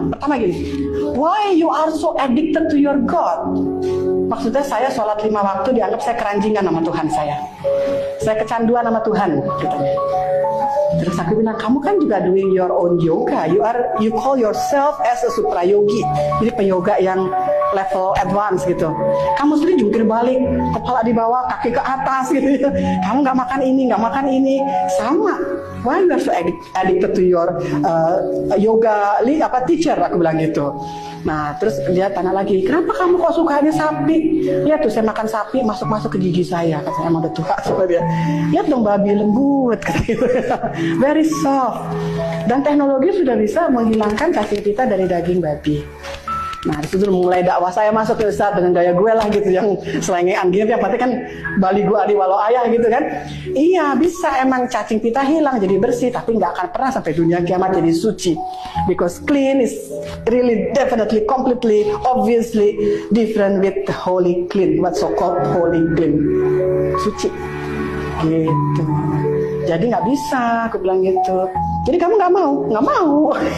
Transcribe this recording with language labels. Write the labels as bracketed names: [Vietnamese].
[Indonesian] Pertama gini, [English] why you are so addicted to your God? [Indonesian] Maksudnya saya sholat lima waktu dianggap saya keranjingan sama Tuhan saya. Saya kecanduan sama Tuhan, gitu. Terus aku bilang, kamu kan juga [English] doing your own yoga. You call yourself as a supra yogi. [Indonesian] Jadi peyoga yang level advance gitu. Kamu sendiri jungkir balik, kepala di bawah, kaki ke atas gitu. Kamu gak makan ini, gak makan ini. Sama. [English] Why you are so addicted to your yoga teacher, [Indonesian] aku bilang gitu. Nah, terus dia tanya lagi, kenapa kamu kok sukanya sapi? Lihat tuh, saya makan sapi masuk-masuk ke gigi saya. Katanya emang udah tua, sama dia. Lihat dong babi lembut, kata gitu. [English] Very soft. [Indonesian] Dan teknologi sudah bisa menghilangkan cacing pita dari daging babi. Nah, disitu mulai dakwah saya masuk ke Ustaz dengan gaya gue lah gitu, yang selengean gini, yang pasti kan Bali gue adi walau ayah gitu kan. Iya, bisa emang cacing pita hilang jadi bersih, tapi nggak akan pernah sampai dunia kiamat jadi suci. [English] Because clean is really definitely, completely, obviously different with holy clean, what so called holy clean. [Indonesian] Suci. Gitu. Jadi nggak bisa, aku bilang gitu. Jadi kamu nggak mau.